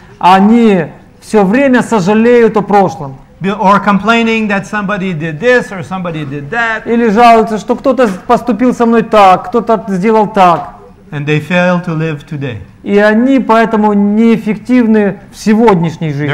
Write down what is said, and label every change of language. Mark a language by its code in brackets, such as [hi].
[ru] Они все время сожалеют о прошлом. [en] Or complaining that somebody did this or somebody did that. [ru] Или жалуются, что кто-то поступил со мной так, кто-то сделал так. [en] And they fail to live today. [ru] И они поэтому неэффективны в сегодняшней жизни.